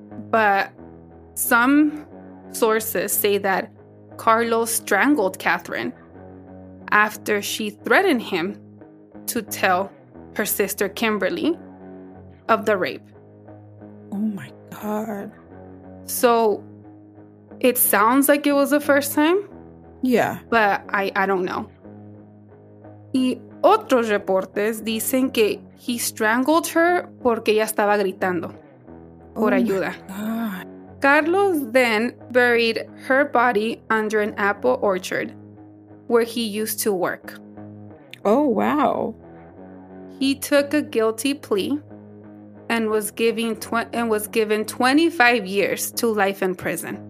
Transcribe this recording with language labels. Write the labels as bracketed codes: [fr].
[en] But some sources say that Carlos strangled Catherine after she threatened him to tell her sister Kimberly of the rape. Oh my God. So it sounds like it was the first time. Yeah. But I don't know. [es] Y otros reportes dicen que [en] he strangled her [es] porque ella estaba gritando por ayuda. [en] Carlos then buried her body under an apple orchard where he used to work. Oh, wow. He took a guilty plea and was given 25 years to life in prison.